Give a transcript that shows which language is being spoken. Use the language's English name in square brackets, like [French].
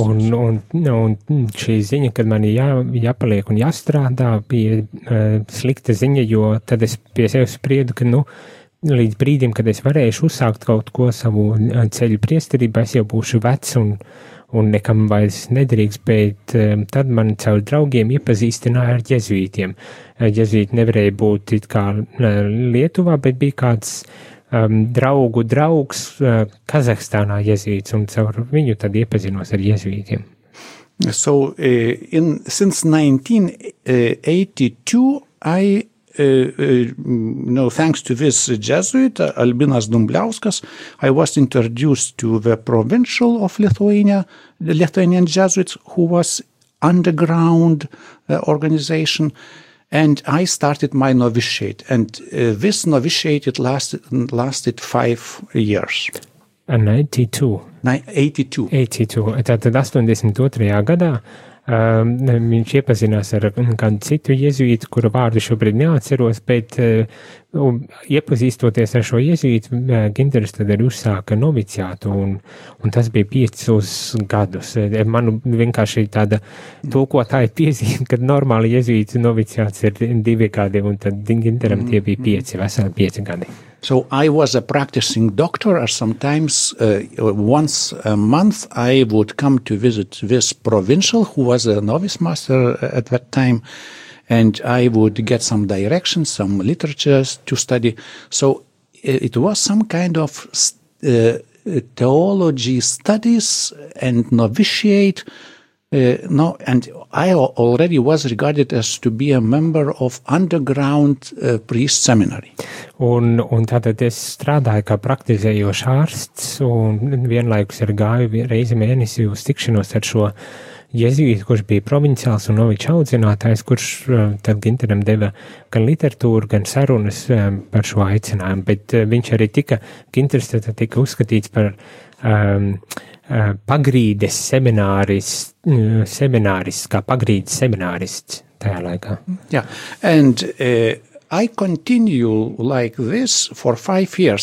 [Latvian] Un šī ziņa, kad man jāpaliek un jāstrādā, bija slikta ziņa, jo tad es pie sevi spriedu, ka līdz brīdim, kad es varēšu uzsākt kaut ko savu ceļu priesterību, es jau būšu vecs un nekam vairs nedrīkst, bet tad man caur draugiem iepazīstināja ar jezuītiem. Jezuīti nevarēja būt it kā Lietuvā, bet bija kāds draugu draugs Kazahstānā jezuīts, un caur viņu tad iepazinos ar jezuītiem. [English] So, since 1982, thanks to this Jesuit, Albinas Dumbliauskas, I was introduced to the provincial of Lithuania, the Lithuanian Jesuits, who was underground organization, and I started my novitiate. And this novitiate, it lasted 5 years. [Latvian] And 82. Tad 82. Gadā. Viņš iepazinās ar kādu citu jezuītu, kuru vārdu šobrīd neatceros, bet iepazīstoties ar šo jezuītu, Ginders tad arī uzsāka noviciātu, un tas bija 5 gadus. Man vienkārši tāda tulkotāja piezīme, kad normāli jezuītu noviciāts ir 2 gadi, un tad Ginderam tie bija 5 gadi. [English] So I was a practicing doctor, or sometimes once a month I would come to visit this provincial who was a novice master at that time, and I would get some directions, some literatures to study. So it was some kind of theology studies and novitiate. And I already was regarded as to be a member of underground priest seminary. [Latvian] Un tātad es strādāju kā praktizējošs ārsts, un vienlaikus ir gāju reizi mēnesi uz tikšanos ar šo jezuītu, kurš bija provinciāls un noviču audzinātājs, kurš tad Ginteram deva gan literatūru, gan sarunas par šo aicinājumu, bet viņš arī tika, Ginters tad tika uzskatīts par pagrīdes seminārists, kā pagrīdes seminārists tajā laikā. [English] Yeah, and I continue like this for 5 years.